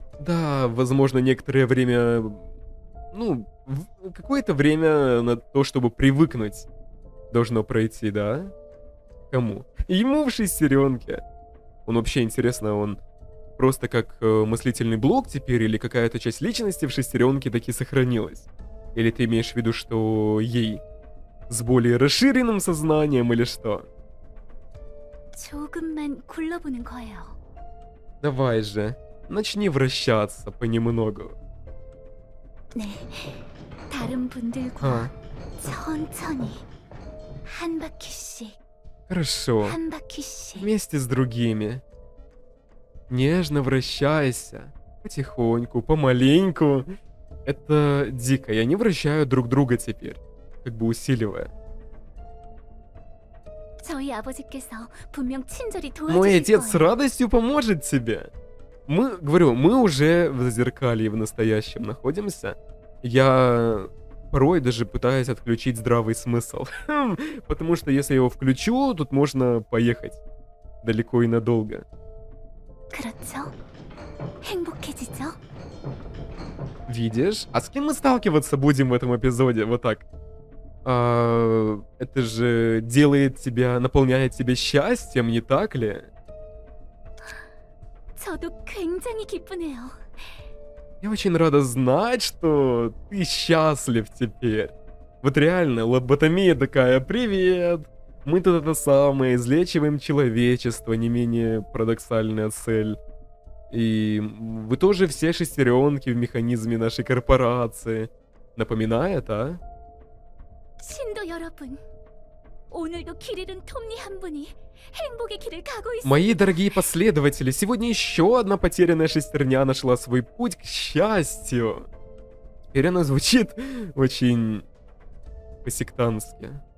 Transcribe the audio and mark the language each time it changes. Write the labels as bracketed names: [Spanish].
[Russian] Да, возможно, некоторое время, ну, какое-то время на то, чтобы привыкнуть, должно пройти, да? Кому? Ему в шестеренке. Он вообще, интересно, он просто как мыслительный блок теперь, или какая-то часть личности в шестеренке таки сохранилась? Или ты имеешь в виду, что ей с более расширенным сознанием, или что? [Korean] 조금만 굴러보는 거예요. [Russian] Давай же, начни вращаться понемногу. [Korean] 네, 다른 분들과 천천히 한 바퀴씩. [Russian] Хорошо. [Korean] 한 바퀴씩. [Russian] Вместе с другими. Нежно вращайся, потихоньку, помаленьку. Это дико, я не вращаю друг друга теперь, как бы усиливая. [Korean] 저희 아버지께서 분명 친절히 도와주실 [Russian] Мой отец [Korean] 거예요. [Russian] С радостью поможет тебе. Мы, говорю, мы уже в зазеркалье в настоящем находимся. Я порой даже пытаюсь отключить здравый смысл. Потому что если я его включу, тут можно поехать далеко и надолго. [Korean] 그렇죠? 행복해지죠? [Russian] Видишь? А с кем мы сталкиваться будем в этом эпизоде? Вот так. Это же делает тебя, наполняет тебя счастьем, не так ли? [Korean] 저도 굉장히 기쁘네요. [Russian] Я очень рада знать, что ты счастлив теперь. Вот реально, лоботомия такая, привет! Мы тут это самое, излечиваем человечество, не менее парадоксальная цель. И вы тоже все шестеренки в механизме нашей корпорации. Напоминает, а? [Korean] 신도 여러분, 오늘도 길 잃은 톰니 한 분이 행복의 길을 가고 있어. [Russian] Мои дорогие последователи, сегодня еще одна потерянная шестерня нашла свой путь к счастью. Теперь она звучит очень по-сектантски.